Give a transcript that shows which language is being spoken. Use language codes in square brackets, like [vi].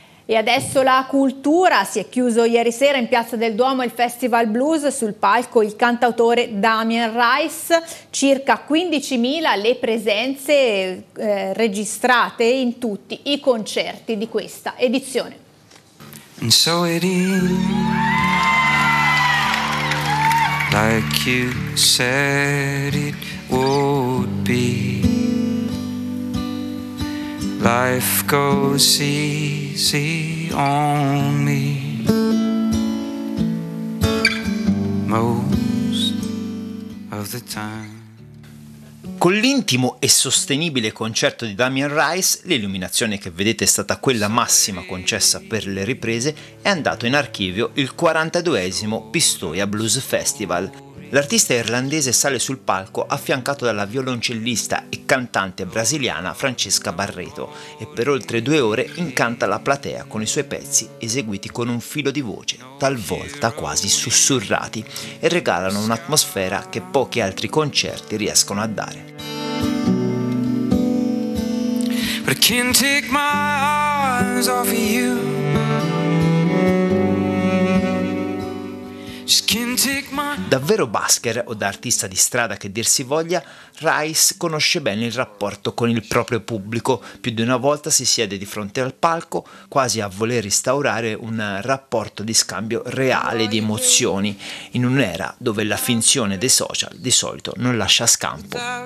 [it] E adesso la cultura. Si è chiuso ieri sera in Piazza del Duomo il Festival Blues, sul palco il cantautore Damien Rice, circa 15.000 le presenze registrate in tutti i concerti di questa edizione. [en] And so it is, like you said it would be. Life goes easy on me. Most of the time. [it] Con l'intimo e sostenibile concerto di Damien Rice, l'illuminazione che vedete è stata quella massima concessa per le riprese, è andato in archivio il 42esimo Pistoia Blues Festival. L'artista irlandese sale sul palco affiancato dalla violoncellista e cantante brasiliana Francesca Barreto e per oltre due ore incanta la platea con i suoi pezzi eseguiti con un filo di voce, talvolta quasi sussurrati, e regalano un'atmosfera che pochi altri concerti riescono a dare. [en] But I can't take my eyes off of you. [it] Davvero basker o da artista di strada che dir si voglia, Rice conosce bene il rapporto con il proprio pubblico. Più di una volta si siede di fronte al palco quasi a voler instaurare un rapporto di scambio reale di emozioni in un'era dove la finzione dei social di solito non lascia scampo.